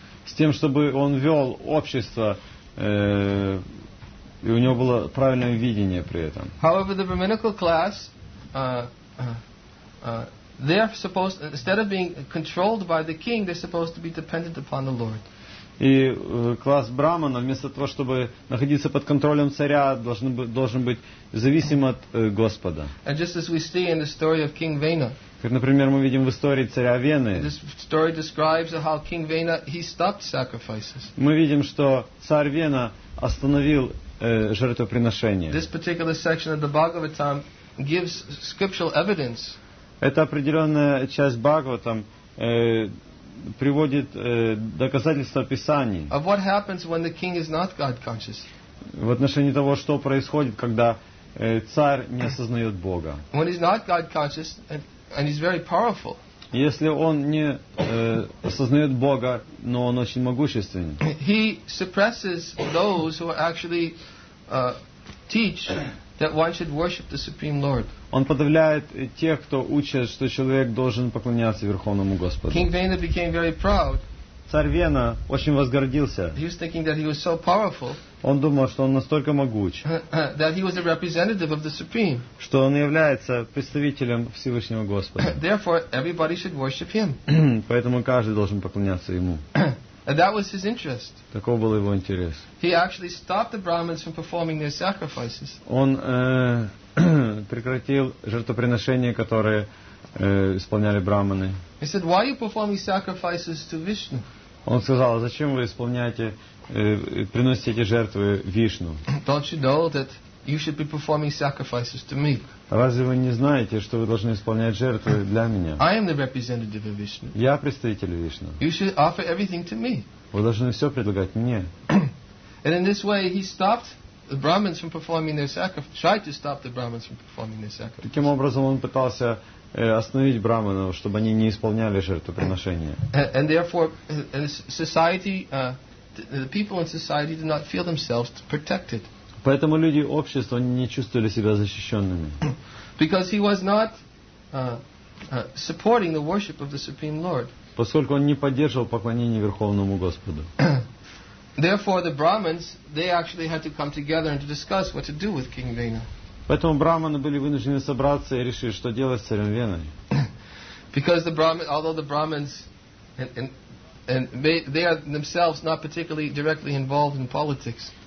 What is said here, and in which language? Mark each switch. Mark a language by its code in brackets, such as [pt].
[ru] С тем, чтобы он вел общество, и у него было правильное видение при этом. [en] However, the brahminical class, they are supposed, instead of being controlled by the king, they're supposed to be dependent upon the Lord. [ru] И класс брахмана, вместо того, чтобы находиться под контролем царя, должен быть зависим от Господа. [en] And just as we see in the story of King Vena. [ru] Как, например, мы видим в истории царя Вены. [en] This story describes how King Vena, he stopped sacrifices. [ru] Мы видим, что царь Вена остановил жертвоприношение. [en] This particular section of the Bhagavatam gives scriptural evidence. [ru] Это определенная часть Бхагаватам приводит доказательства Писаний. [en] Of what happens when the king is not God-conscious. [ru] В отношении того, что происходит, когда царь не осознает Бога. [en] When he's not God-conscious, and he's very powerful. [ru] Если он не осознает Бога, но он очень могущественен. [en] He suppresses those who actually teach that one should worship the Supreme Lord. [ru] Он подавляет тех, кто учит, что человек должен поклоняться Верховному Господу. [en] King Vena became very proud. [ru] Царь Вена очень возгордился. [en] He was thinking that he was so powerful. [ru] Он думал, что он настолько могуч, [en] that he was a representative of the Supreme. [ru] Что он является представителем Всевышнего Господа. [en] Therefore, everybody should worship him. [ru] Поэтому каждый должен поклоняться ему. [en] And that was his interest. [ru] Таков был его интерес. [en] He actually stopped the Brahmins from performing their sacrifices. [ru] Он прекратил жертвоприношения, которые исполняли брахманы. [en] He said, "Why are you performing sacrifices to Vishnu?" [ru] Он сказал, зачем вы исполняете, приносите эти жертвы Вишну? [en] Don't you know that you should be performing sacrifices to me? [ru] Разве вы не знаете, что вы должны исполнять жертвы для меня? [en] I am the representative of Vishnu. [ru] Я представитель Вишну. [en] You should offer everything to me. [ru] Вы должны все предлагать мне. [en] And in this way, he stopped the Brahmins from performing their sacrifice. Tried to stop the Brahmins from performing their sacrifice. [ru] Таким образом, он пытался остановить брахманов, чтобы они не исполняли жертвоприношения. [en] And therefore, society, the people in society did not feel themselves protected. [ru] Поэтому люди общества не чувствовали себя защищенными. [en] Because he was not supporting the worship of the Supreme Lord. [ru] Поскольку он не поддерживал поклонение Верховному Господу. [en] Therefore, the Brahmins, they actually had to come together and to discuss what to do with King Vena. [ru] Поэтому брахманы были вынуждены собраться и решить, что делать с царем Веной. [en] Because the Brahmins, although the Brahmins and they are themselves not particularly directly involved in politics.